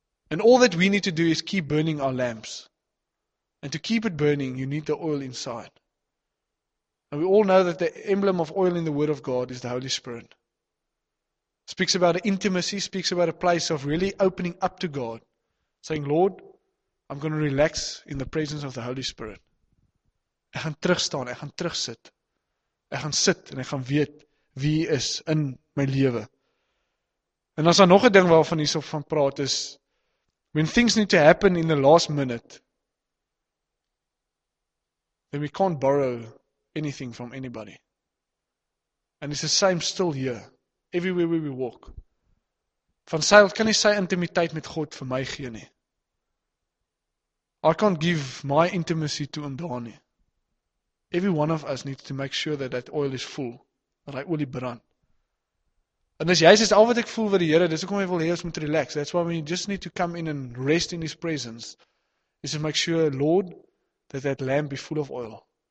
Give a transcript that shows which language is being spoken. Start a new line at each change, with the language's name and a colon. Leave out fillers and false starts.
English: And all that we need to do is keep burning our lamps. And to keep it burning, you need the oil inside. And we all know that the emblem of oil in the Word of God is the Holy Spirit. Speaks about an intimacy, speaks about a place of really opening up to God. Saying, Lord, I'm going to relax in the presence of the Holy Spirit.
Afrikaans: Ek gaan terugstaan, ek gaan terugsit. Ek gaan sit en ek gaan weet wie hy is in my lewe. En as daar nog 'n ding waarvan hierso van praat is,
English: when things need to happen in the last minute, then we can't borrow anything from anybody. And it's the same still here. Everywhere where we walk.
Afrikaans: Van Sail, kan nie sy intimiteit met God vir my gee nie.
English: I can't give my intimacy to him
Afrikaans: daar nie.
English: Every one of us needs to make sure that that oil is full,
Afrikaans: dat hy olie brand. En dis juist is al wat ek voel wat die Here, dis hoekom hy wil hê ons moet relax.
English: That's why we just need to come in and rest in his presence. Is to make sure, Lord, that that lamp be full of oil.